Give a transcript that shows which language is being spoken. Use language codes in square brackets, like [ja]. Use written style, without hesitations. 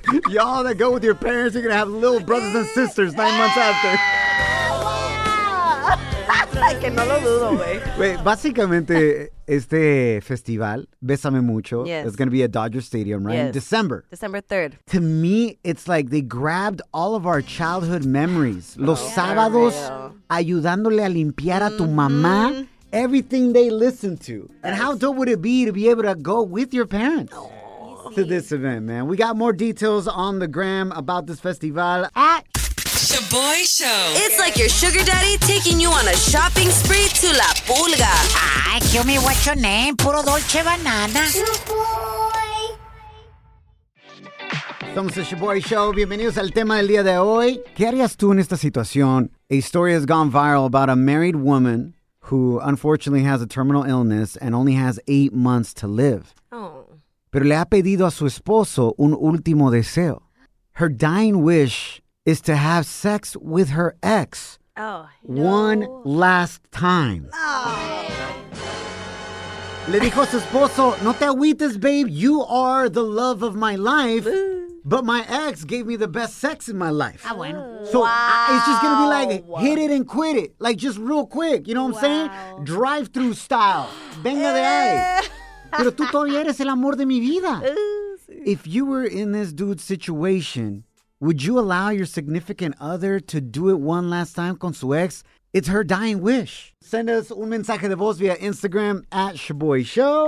[en] Y'all that go with your parents, you're gonna have little brothers and sisters 9 months after. [es] Que no lo dudo, güey. Básicamente, este festival, Bésame Mucho, [en] yes, is gonna be at Dodger Stadium, right? Yes. In December. December 3rd. To me, it's like they grabbed all of our childhood memories. [es] Los sábados, ayudándole a limpiar a tu mamá. [en] Everything they listen to. And how dope would it be to be able to go with your parents to this event, man? We got more details on the gram about this festival at Shaboy Show. It's like your sugar daddy taking you on a shopping spree to La Pulga. Ay, kill me, what's your name? Puro Dolce Banana. [es] Somos el Shaboy Show. Bienvenidos al tema del día de hoy. ¿Qué harías tú en esta situación? [en] A story has gone viral about a married woman who unfortunately has a terminal illness and only has 8 months to live. Oh. [es] Pero le ha pedido a su esposo un último deseo. [en] Her dying wish is to have sex with her ex. Oh, no. One last time. No. [es] Le dijo a su esposo, no te agüites, babe. [en] You are the love of my life. But my ex gave me the best sex in my life. [es] Ah, bueno. [en] So it's just going to be like, hit it and quit it. Like, just real quick. You know what I'm saying? Drive-through style. [es] Venga de ahí. Pero tú todavía eres el amor de mi vida. [en] If you were in this dude's situation, would you allow your significant other to do it one last time [es] con su ex? [en] It's her dying wish. Send us [es] un mensaje de voz [en] via Instagram at Shaboy Show.